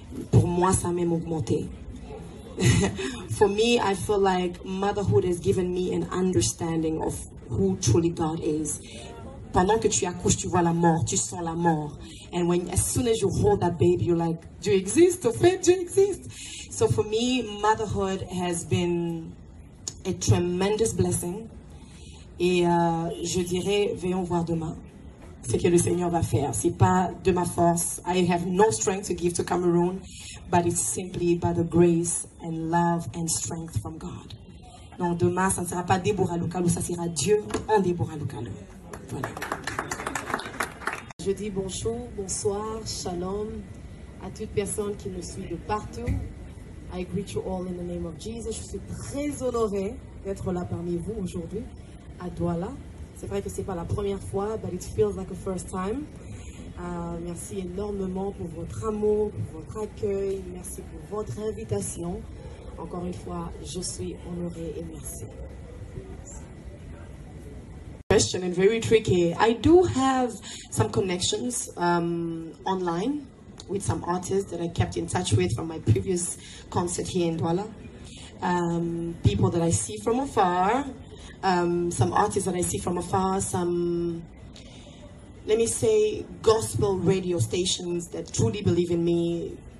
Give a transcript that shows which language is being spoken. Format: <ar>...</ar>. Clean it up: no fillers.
<fr>Pour moi, ça a même augmenté.</fr> <en>For me, I feel like motherhood has given me an understanding of who truly God is.</en> <fr>Pendant que tu accouches, tu vois la mort, tu sens la mort.</fr> <en>And when, as soon as you hold that baby, you're like,</en> <fr>Dieu existe, au fait, Dieu existe.</fr> <en>So for me, motherhood has been a tremendous blessing.</en> <fr>Et je dirais, veillons voir demain ce que le Seigneur va faire. Ce n'est pas de ma force.</fr> <en>I have no strength to give to Cameroon, but it's simply by the grace and love and strength from God.</en> <fr>Donc demain, ça ne sera pas Déborah Lukalu, ça sera Dieu en Déborah Lukalu. Voilà. Je dis bonjour, bonsoir, shalom à toute personne qui me suit de partout.</fr> <en>I greet you all in the name of Jesus.</en> <fr>Je suis très honorée d'être là parmi vous aujourd'hui à Douala. C'est vrai que ce n'est pas la première fois,</fr> <en>but it feels like a first time.</en> <fr>Merci énormément pour votre amour, pour votre accueil. Merci pour votre invitation. Encore une fois, je suis honorée et merci.</fr> <en>Question and very tricky. I do have some connections online with some artists that I kept in touch with from my previous concert here in Douala. People that I see from afar, some artists that I see from afar, some, let me say, gospel radio stations that truly believe in me.</en>